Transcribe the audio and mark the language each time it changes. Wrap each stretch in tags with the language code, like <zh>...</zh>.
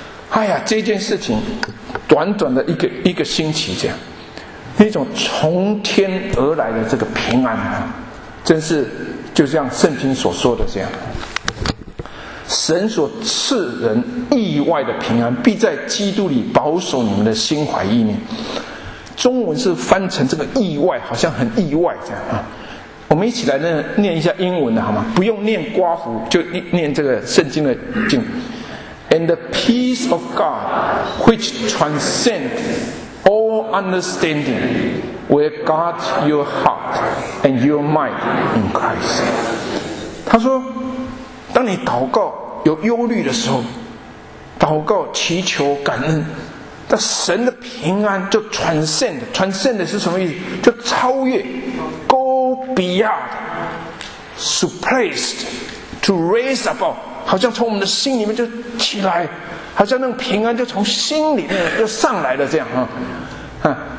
<zh>哎呀，这件事情短短的一个星期这样，那种从天而来的这个平安啊，真是就像圣经所说的这样，神所赐人意外的平安必在基督里保守你们的心怀意念。中文是翻成这个意外，好像很意外这样啊。我们一起来念一下英文的好吗？不用念刮胡，就念这个圣经的经。</zh> <en>And the peace of God, which transcends all understanding, will guard your heart and your mind in Christ.</en> <zh>他说，当你祷告有忧虑的时候，祷告祈求感恩，那神的平安就 transcend 是什么意思？就超越</zh> <en>go beyond surpassed to raise above，</en> <zh>好像从我们的心里面就起来，好像那种平安就从心里面就上来了这样啊。</zh>